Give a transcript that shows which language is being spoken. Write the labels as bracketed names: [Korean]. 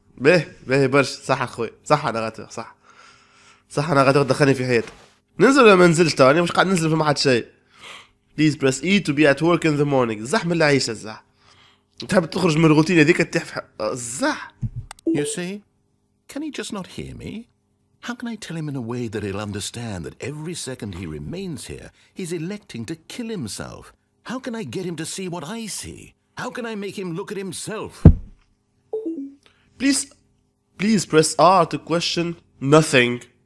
[Arabic] باهي برشا صح اخوي صح انا غاتر صح انا غاتر دخلني في حياتي ننزل ولا ما نزلش تو انا مش قاعد ننزل في ما حد شيء. [English] Please press E to be at work in the morning. [Arabic] زحمة العيشة زح تحب تخرج من الروتين هذيك تطيح في زح. [English] You see, can he just not hear me? How can I tell him in a way that he'll understand that every second he remains here, he's electing to kill himself? How can I get him to see what I see? How can I make him look at himself? Please press R to question nothing.